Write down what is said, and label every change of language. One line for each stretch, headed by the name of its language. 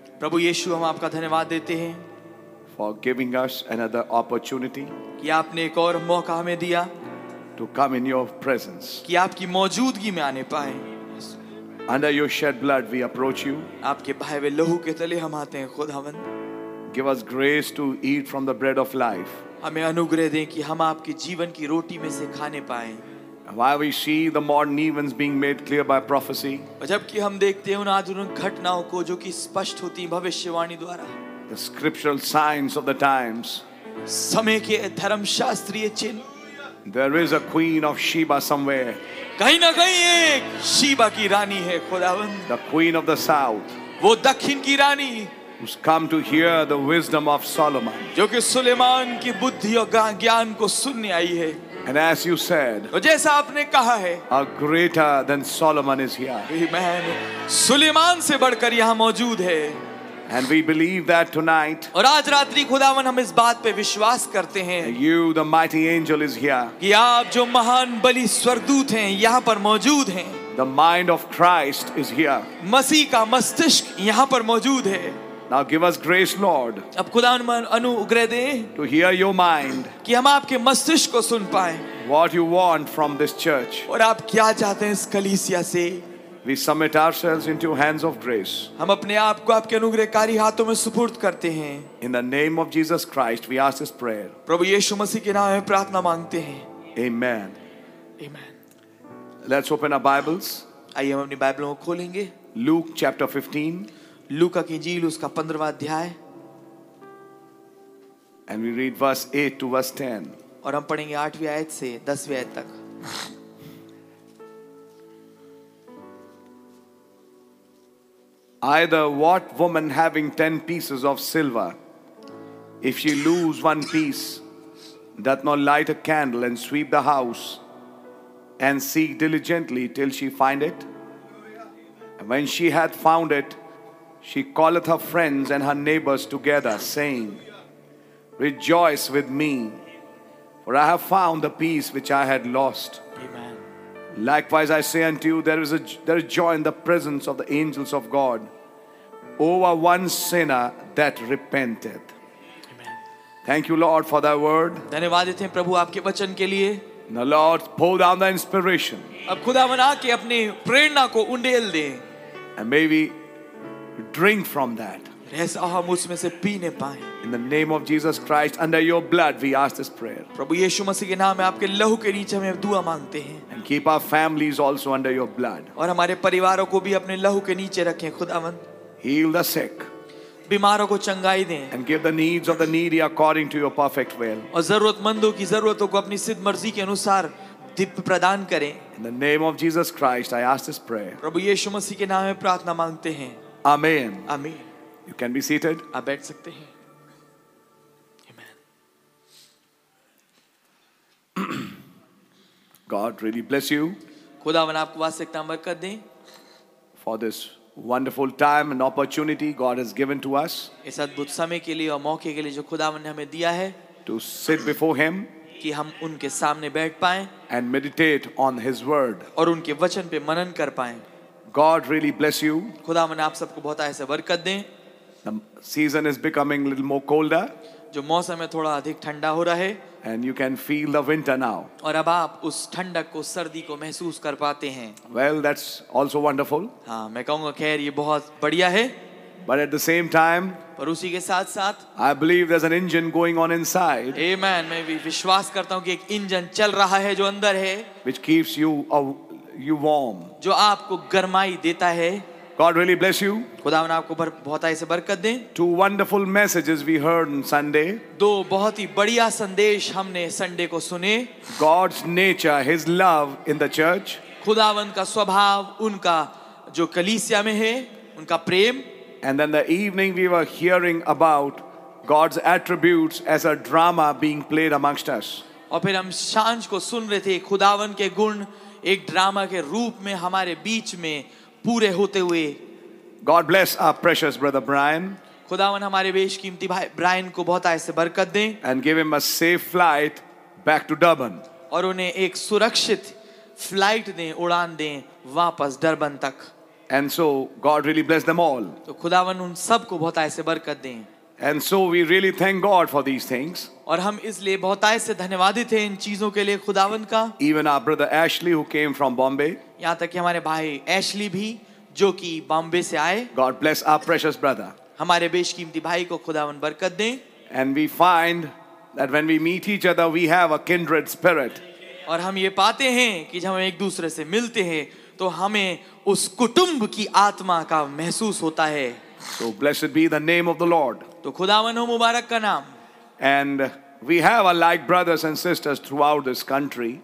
Hindi: प्रभु यीशु, हम आपका धन्यवाद देते हैं.
English: For giving us another opportunity.
Hindi: कि आपने एक और मौका हमें दिया.
English: To come in your presence.
Hindi: कि आपकी मौजूदगी में आने पाए.
English: Under your shed blood, we approach you.
Hindi: आपके बहे हुए लहू के तले हम आते हैं खुदावन.
English: Give us grace to eat from the bread of life.
Hindi: हमें अनुग्रह दें कि हम आपके जीवन की रोटी में से खाने पाएं.
English: While we see the modern events being made clear by prophecy.
Hindi: जबकि हम देखते हैं उन आधुनिक घटनाओं को जो कि स्पष्ट होती हैं भविष्यवाणी द्वारा.
English: The scriptural signs of the times.
Hindi: समय के धर्मशास्त्रीय चिन्ह.
English: There is a queen of Sheba somewhere.
Hindi: कहीं ना कहीं एक शीबा की रानी है खुदावन.
English: The queen of the south.
Hindi: वो दक्षिण की रानी.
English: Who's come to hear the wisdom of Solomon.
Hindi: जो कि सुलेमान की बुद्धि और ज्ञान को सुनने आई है.
English: And as you said.
Hindi: जैसा आपने कहा है.
English: A greater than Solomon is here. Amen.
Hindi: Suleman से बढ़कर यहाँ मौजूद है.
English: And we believe that tonight.
Hindi: और आज रात्रि खुदावन हम इस बात पे विश्वास करते हैं.
English: You, the mighty angel, is here.
Hindi: कि आप जो महान बलि स्वर्गदूत हैं यहाँ पर मौजूद हैं.
English: The mind of Christ is here.
Hindi: मसीह का मस्तिष्क यहाँ पर मौजूद है.
English: Now give us grace, Lord.
Hindi: अब खुदावन अनुग्रह दे.
English: To hear your mind.
Hindi: कि हम आपके मस्तिष्क को सुन पाएं.
English: What you want from this church?
Hindi: और आप क्या चाहते हैं इस कलीसिया से?
English: We submit ourselves into your hands of grace.
Hindi: हम अपने आप को आपके अनुग्रहकारी हाथों में सुपुर्द करते हैं.
English: In the name of Jesus Christ, we ask this prayer.
Hindi: प्रभु यीशु मसीह के नाम में प्रार्थना मांगते हैं.
English: Amen. Amen. Let's open our Bibles.
Hindi: आइए हम अपनी बाइबलों को खोलेंगे.
English: Luke chapter 15.
Hindi: लूका की झील उसका 15वां अध्याय.
English: And we read verse 8 to verse 10.
Hindi: और हम पढ़ेंगे 8वीं आयत से 10वीं आयत तक.
English: Either what woman having 10 pieces of silver, if she lose one piece, doth not light a candle and sweep the house and seek diligently till she find it? And when she hath found it, she calleth her friends and her neighbors together, saying, Rejoice with me, for I have found the piece which I had lost. Amen. Likewise, I say unto you, there is joy in the presence of the angels of God over one sinner that repenteth. Amen. Thank you, Lord, for thy word.
Hindi: धन्यवाद देते हैं प्रभु आपके वचन के लिए.
English: Now, Lord, pour down the inspiration.
Hindi: अब खुदावन आके अपनी प्रेरणा को उंडेल दें.
English: And maybe drink from that.
Hindi: ऐसा हम उसमें से पीने पाएं.
English: In the name of Jesus Christ, under your blood, we ask this prayer.
Hindi: प्रभु यीशु मसीह के नाम में आपके लहू के नीचे हम दुआ मांगते हैं.
English: And keep our families also under your blood.
Hindi: और हमारे परिवारों को भी अपने लहू के नीचे रखें खुदावन.
English: Heal the sick.
Hindi: बीमारों को चंगाई दें.
English: And give the needs of the needy according to your perfect will.
Hindi: और जरूरतमंदों की जरूरतों को अपनी सिद्ध मर्जी के अनुसार प्रदान करें.
English: In the name of Jesus Christ, I ask this prayer.
Hindi: प्रभु यीशु मसीह के नाम में प्रार्थना मांगते हैं.
English: Amen. Amen. You can be seated.
Hindi: आप बैठ सकते हैं. Amen.
English: God really bless you.
Hindi: खुदावन आपको वास्तविक बरकत दें.
English: For this wonderful time and opportunity God has given to us.
Hindi: इस अद्भुत समय के लिए और मौके के लिए जो खुदावन ने हमें दिया है.
English: To sit before Him.
Hindi: कि हम उनके सामने बैठ पाएं.
English: And meditate on His word.
Hindi: और उनके वचन पे मनन कर पाएं.
English: God really bless you.
Hindi: खुदावन आप सबको बहुत ऐसे बरकत दें.
English: The season is becoming a little more colder.
Hindi: जो मौसम है थोड़ा अधिक ठंडा हो रहा है.
English: And you can feel the winter now.
Hindi: और अब आप उस ठंडक को सर्दी को महसूस कर पाते हैं.
English: Well, that's also wonderful.
Hindi: हाँ, मैं कहूँगा खैर ये बहुत बढ़िया है.
English: But at the same time,
Hindi: पर उसी के साथ साथ,
English: I believe there's an engine going on inside. Amen.
Hindi: मैं भी विश्वास करता हूँ कि एक इंजन चल रहा है जो अंदर है.
English: Which keeps you warm.
Hindi: जो आपको गर्माई देता है.
English: God really bless you.
Hindi: खुदावन आपको बहुत ऐसे बरकत दें.
English: Two wonderful messages we heard on Sunday.
Hindi: दो बहुत ही बढ़िया संदेश हमने संडे को सुने.
English: God's nature, His love in the church.
Hindi: खुदावन का स्वभाव उनका जो कलीसिया में है उनका प्रेम.
English: And then the evening we were hearing about God's attributes as a drama being played amongst us.
Hindi: और फिर हम सांझ को सुन रहे थे खुदावन के गुण एक ड्रामा के रूप में हमारे बीच में पूरे होते हुए.
English: God bless our precious brother Brian.
Hindi: खुदावन हमारे बेशकीमती भाई ब्रायन को बहुत ऐसे बरकत दें.
English: And give him a safe flight back to Durban.
Hindi: और उन्हें एक सुरक्षित फ्लाइट दें उड़ान दें वापस डरबन तक.
English: And so God really bless them all.
Hindi: तो खुदावन उन सब को बहुत ऐसे बरकत दें.
English: And so we really thank God for these things.
Hindi: और हम इसलिए बहुत ऐसे धन्यवादित हैं इन चीजों के लिए खुदावन का.
English: Even our brother Ashley who came from Bombay.
Hindi: यहाँ तक कि हमारे भाई एशली भी जो कि बॉम्बे से आए.
English: God bless our precious brother.
Hindi: हमारे बेशकीमती भाई को खुदावन बरकत दें.
English: And we find that when we meet each other, we have a kindred spirit.
Hindi: और हम ये पाते हैं कि जब हम एक दूसरे से मिलते हैं तो हमें उस कुटुंब की आत्मा का महसूस होता है.
English: So blessed be the name of the Lord.
Hindi: तो खुदावन हो मुबारक का नाम.
English: And we have our like brothers and sisters throughout this country.